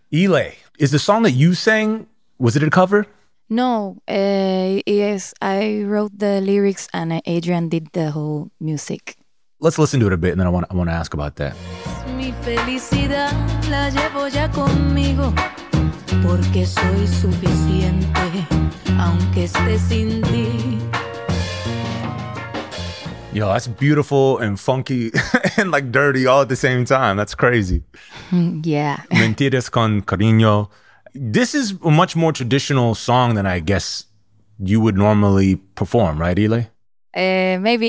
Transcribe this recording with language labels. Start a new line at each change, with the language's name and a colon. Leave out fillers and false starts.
English: Ile, is the song that you sang, was it a cover? No, yes, I wrote the lyrics and Adrian did the whole music. Let's listen to it a bit and then I want to ask about that.
Spanish: Mi felicidad la llevo ya conmigo porque soy suficiente aunque esté sin ti.
English: Yo, that's beautiful and funky and like dirty all at the same time. That's crazy. Yeah.
Spanish: Mentiras con cariño.
English: This is a much more traditional song than I guess you would normally perform, right, Ile? Maybe.